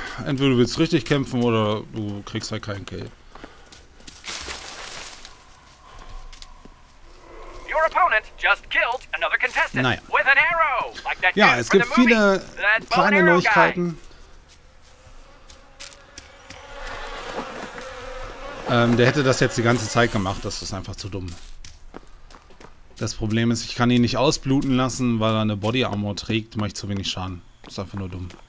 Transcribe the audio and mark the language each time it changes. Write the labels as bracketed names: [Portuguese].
[German] Entweder du willst richtig kämpfen oder du kriegst halt keinen Kill. [English] Your opponent just killed another contestant. [German] Naja. [English] With an arrow, like that. [German] Ja, es gibt viele kleine Neuigkeiten. Der hätte das jetzt die ganze Zeit gemacht, das ist einfach zu dumm. Das Problem ist, ich kann ihn nicht ausbluten lassen, weil er eine Body Armor trägt, mache ich zu wenig Schaden. Ist einfach nur dumm.